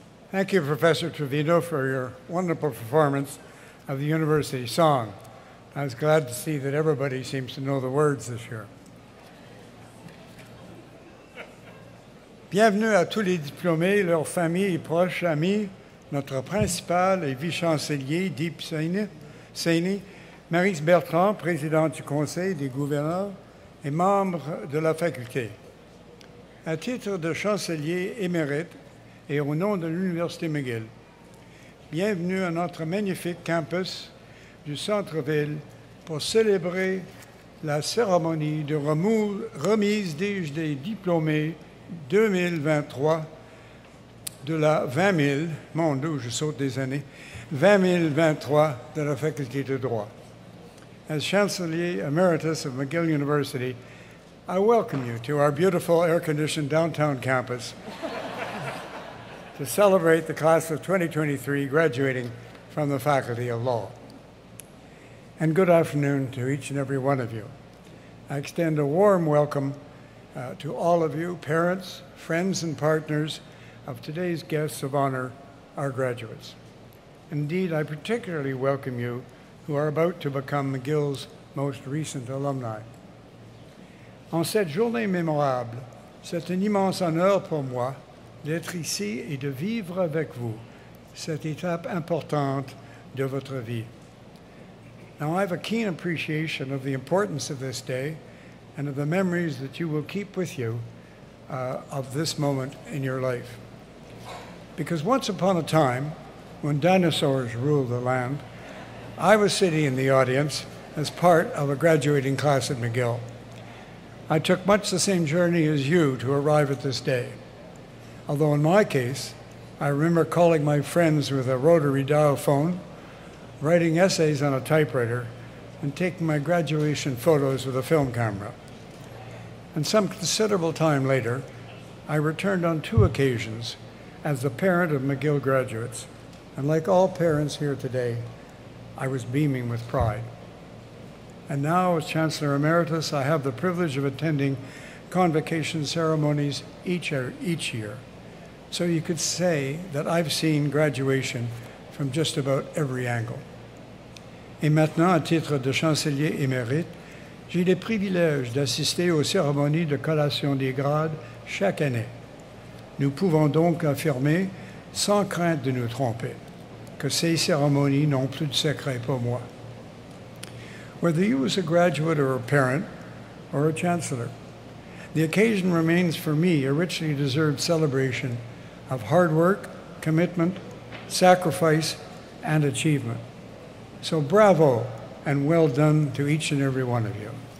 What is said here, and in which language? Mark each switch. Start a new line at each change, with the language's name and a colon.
English: Thank you, Professor Trevino, for your wonderful performance of the university song. I was glad to see that everybody seems to know the words this year.
French: Bienvenue à tous les diplômés, leurs familles, proches, amis. Notre principal et vice-chancelier, Deep Saini, Maryse Bertrand, président du Conseil des gouverneurs et membre de la faculté. À titre de chancelier émérite et au nom de l'Université McGill, bienvenue à notre magnifique campus du centre-ville pour célébrer la cérémonie de remise des diplômés 2023 de la 20 000, mon Dieu, je saute des années, 20 023 de la Faculté de Droit.
English: As Chancellor Emeritus of McGill University, I welcome you to our beautiful air-conditioned downtown campus to celebrate the class of 2023 graduating from the Faculty of Law. And good afternoon to each and every one of you. I extend a warm welcome to all of you, parents, friends, and partners, of today's guests of honor, our graduates. Indeed, I particularly welcome you who are about to become McGill's most recent alumni.
French: En cette journée mémorable, c'est un immense honneur pour moi d'être ici et de vivre avec vous cette étape importante de votre vie.
English: Now, I have a keen appreciation of the importance of this day and of the memories that you will keep with you of this moment in your life. Because once upon a time, when dinosaurs ruled the land, I was sitting in the audience as part of a graduating class at McGill. I took much the same journey as you to arrive at this day. Although in my case, I remember calling my friends with a rotary dial phone, writing essays on a typewriter, and taking my graduation photos with a film camera. And some considerable time later, I returned on two occasions as the parent of McGill graduates, and like all parents here today, I was beaming with pride. And now, as Chancellor Emeritus, I have the privilege of attending convocation ceremonies each year. So you could say that I've seen graduation from just about every angle.
French: Et maintenant, à titre de chancelier émérite, j'ai le privilège d'assister aux cérémonies de collation des grades chaque année. Nous pouvons donc affirmer, sans crainte de nous tromper, que ces cérémonies n'ont plus de secret pour moi.
English: Whether you as a graduate or a parent or a chancellor, the occasion remains for me a richly deserved celebration of hard work, commitment, sacrifice, and achievement. So bravo and well done to each and every one of you.